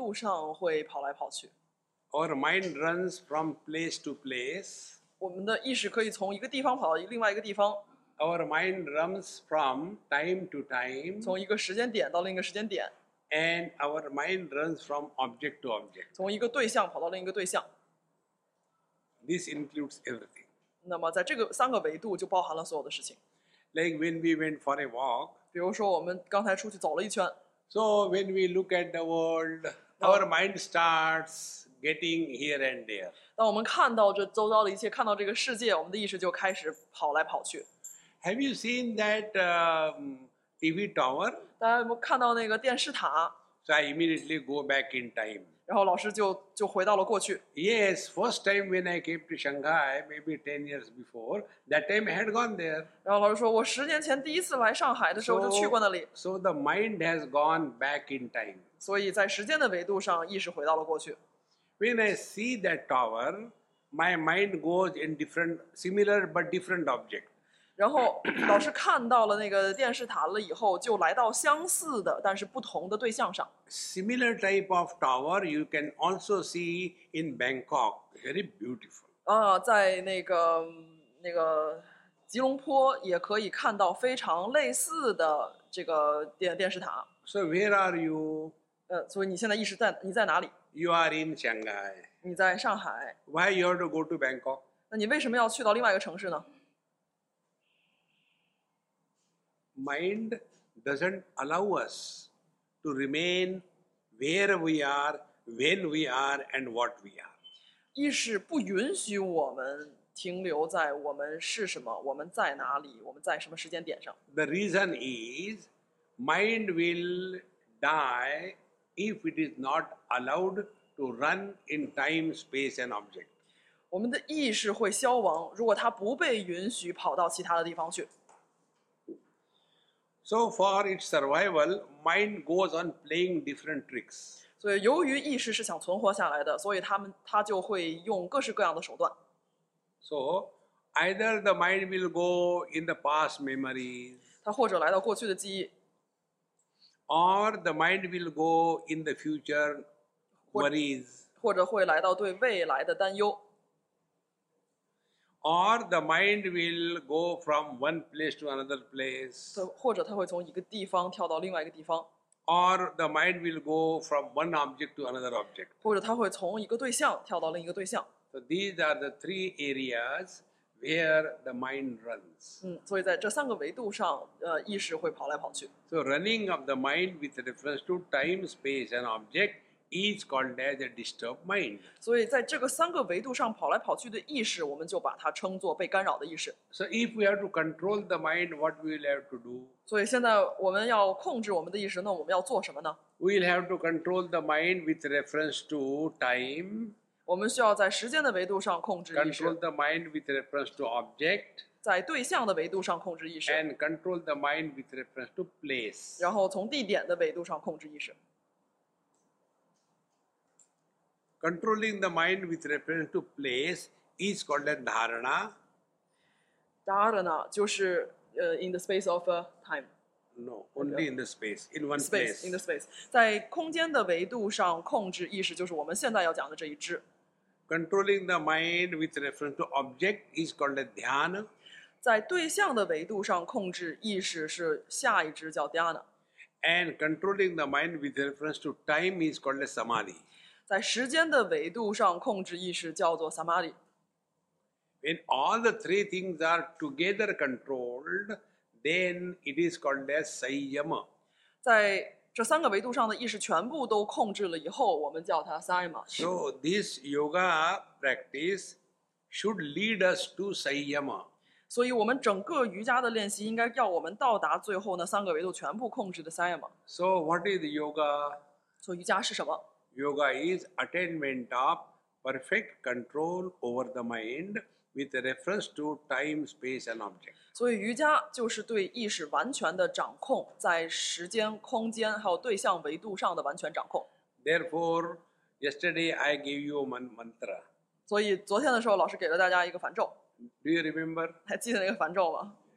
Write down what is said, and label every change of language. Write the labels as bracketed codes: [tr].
[zh] 我们的意识在三个维度上会跑来跑去。 [en] Our mind runs from place to place. [zh] 我们的意识可以从一个地方跑到另外一个地方。 [en] Our mind runs from time to time. [zh] 从一个时间点到另一个时间点。 [en] And our mind runs from object to object. [zh] 从一个对象跑到另一个对象。 [en] This includes everything. [zh] 那么在这个三个维度就包含了所有的事情。 [en] Like when we went for a walk. [zh] 比如说我们刚才出去走了一圈。 [en] So when we look at the world, our mind starts getting here and there. [zh] 当我们看到这周遭的一切, 看到这个世界, 我们的意识就开始跑来跑去。 [en] Have you seen that TV tower? [zh] 大家有没有看到那个电视塔? [en] So I immediately go back in time. [zh] 然后老师就回到了过去。 [en] Yes, first time when I came to Shanghai, maybe 10 years before, that time I had gone there. [zh] 然后老师说,我10年前第一次来上海的时候就去过那里。 [en] So the mind has gone back in time. [zh] 所以在时间的维度上,意识回到了过去。 [en] When I see that tower, my mind goes in different, similar but different object. [zh] 然后老师看到了那个电视塔了以后，就来到相似的但是不同的对象上。 [en] Similar type of tower you can also see in Bangkok, very beautiful. [zh] 在那个吉隆坡也可以看到非常类似的这个电视塔。 [en] So where are you? [zh] 所以你现在意识在你在哪里？ [en] You are in Shanghai. [zh] 你在上海。 [en] Why you have to go to Bangkok? [zh] 那你为什么要去到另外一个城市呢？ [en] Mind doesn't allow us to remain where we are, when we are, and what we are. [zh] 意识不允许我们停留在我们是什么，我们在哪里，我们在什么时间点上。 [en] The reason is, mind will die if it is not allowed to run in time, space, and object. [zh] 我们的意识会消亡，如果它不被允许跑到其他的地方去。 [en] So for its survival, mind goes on playing different tricks. [zh] 所以由于意识是想存活下来的，所以它就会用各式各样的手段。 [en] So either the mind will go in the past memories. [zh] 它或者来到过去的记忆。 [en] Or the mind will go in the future worries. [zh] 或者会来到对未来的担忧。 [en] Or the mind will go from one place to another place. [zh] 或者它会从一个地方跳到另外一个地方。 [en] Or the mind will go from one object to another object. [zh] 或者它会从一个对象跳到另一个对象。 [en] So these are the three areas where the mind runs. [zh] 所以在这三个维度上，意识会跑来跑去。 [en] So running of the mind with reference to time, space, and object. Is called as a disturbed mind. [zh] 所以在这个三个维度上跑来跑去的意识，我们就把它称作被干扰的意识。 [en] So if we have to control the mind, what will we have to do? [zh] 所以现在我们要控制我们的意识，那我们要做什么呢？ [en] We'll have to control the mind with reference to time. [zh] 我们需要在时间的维度上控制意识。 [en] Control the mind with reference to object. [zh] 在对象的维度上控制意识。 [en] And control the mind with reference to place. [zh] 然后从地点的维度上控制意识。 [en] Controlling the mind with reference to place is called as Dharana. Dharana, [zh] 就是 [en] in the space of time. No, only in the space, in one space. In the space. [zh] 在空间的维度上控制意识，就是我们现在要讲的这一支。 [en] Controlling the mind with reference to object is called as Dhyana. [zh] 在对象的维度上控制意识是下一支叫 Dhyana. [en] And controlling the mind with reference to time is called as Samadhi. [zh] 在时间的维度上控制意识叫做 Samadhi. [en] When all the three things are together controlled, then it is called as Sayama. [zh] 在这三个维度上的意识全部都控制了以后，我们叫它 Sayama. [en] So this yoga practice should lead us to Sayama. [zh] 所以我们整个瑜伽的练习应该要我们到达最后那三个维度全部控制的 Sayama. [en] So what is yoga? [zh] 所以瑜伽是什么？ [en] Yoga is attainment of perfect control over the mind with reference to time, space, and object. [zh] 所以瑜伽就是对意识完全的掌控，在时间、空间还有对象维度上的完全掌控。 [en] Therefore, yesterday I gave you a mantra. [zh] 所以昨天的时候，老师给了大家一个梵咒。 [en] Do you remember? [zh] 还记得那个梵咒吗？